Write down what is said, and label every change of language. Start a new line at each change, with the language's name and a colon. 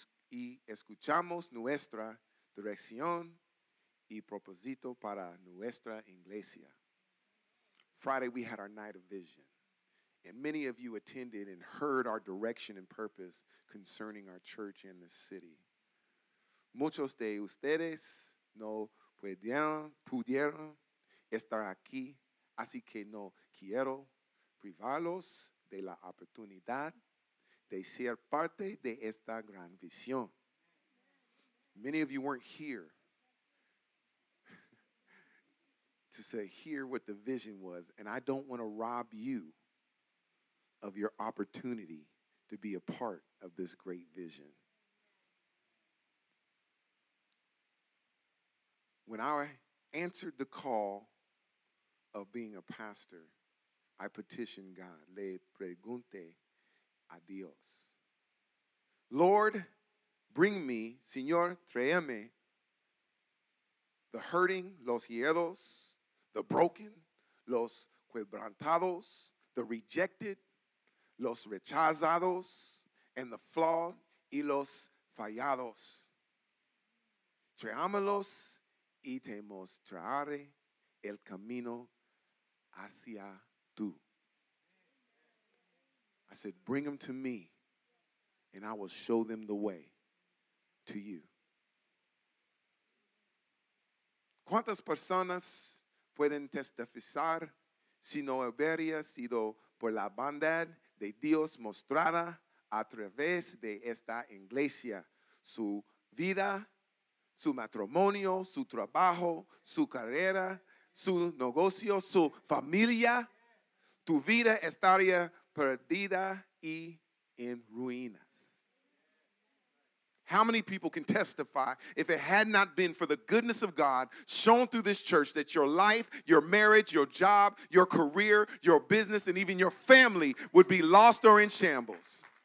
Spanish: Y escuchamos nuestra dirección y propósito para nuestra iglesia.
English: Friday, we had our night of vision. And many of you attended and heard our direction and purpose concerning our church and the city.
Spanish: Muchos de ustedes no pudieron estar aquí, así que no quiero privarlos de la oportunidad de ser parte de esta gran visión.
English: Many of you weren't here to say, hear what the vision was, and I don't want to rob you of your opportunity to be a part of this great vision. When I answered the call of being a pastor, I petitioned God.
Spanish: Le pregunté a Dios.
English: Lord, bring me,
Spanish: Señor, tráeme,
English: the hurting,
Spanish: los hieros,
English: the broken,
Spanish: los quebrantados,
English: the rejected,
Spanish: los rechazados,
English: and the flawed,
Spanish: y los fallados. Tráemelos y te mostraré el camino hacia tú.
English: I said, bring them to me, and I will show them the way to you.
Spanish: ¿Cuántas personas pueden testificar si no hubiera sido por la bondad de Dios mostrada a través de esta iglesia? Su vida, su matrimonio, su trabajo, su carrera, su negocio, su familia, tu vida estaría perdida y en ruina.
English: How many people can testify if it had not been for the goodness of God shown through this church that your life, your marriage, your job, your career, your business, and even your family would be lost or in shambles?